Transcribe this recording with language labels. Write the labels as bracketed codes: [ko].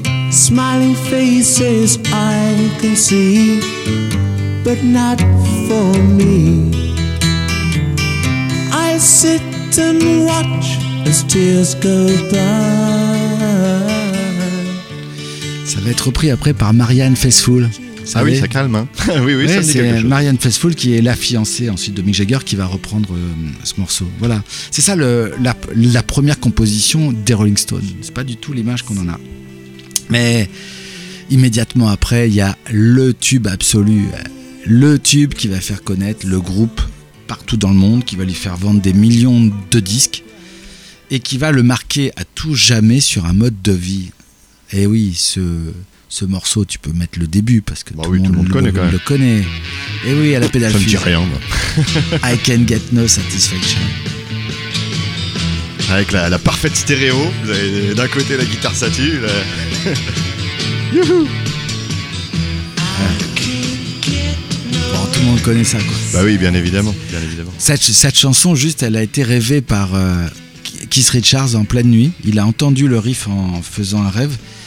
[en] Smiling faces I can see, but not for me. I sit and watch as tears go by. [fr] Ça va être repris après par Marianne Faithfull. Ah oui, ça calme. Hein. Oui, oui, ouais, ça c'est Marianne Faithfull qui est la fiancée ensuite de Mick Jagger qui va reprendre ce morceau. Voilà, c'est ça la première composition des Rolling Stones. C'est pas du tout l'image qu'on en a. Mais immédiatement après, il y a le tube absolu, le tube qui va faire connaître le groupe partout dans le monde, qui va lui faire vendre des millions de disques. Et qui va le marquer à tout jamais sur un mode de vie. Et oui, ce morceau, tu peux mettre le début parce que tout le monde le connaît. Et oui, à la pédale fuse. Ça ne dit rien. [en] I can get no satisfaction. [fr] Avec la parfaite stéréo, vous avez d'un côté la guitare Satie. Youhou! Tout le monde connaît ça, quoi. Bah oui, bien évidemment. Bien évidemment. Cette chanson, juste, elle a été rêvée par. Keith Richards en pleine nuit, il a entendu le riff en faisant un rêve.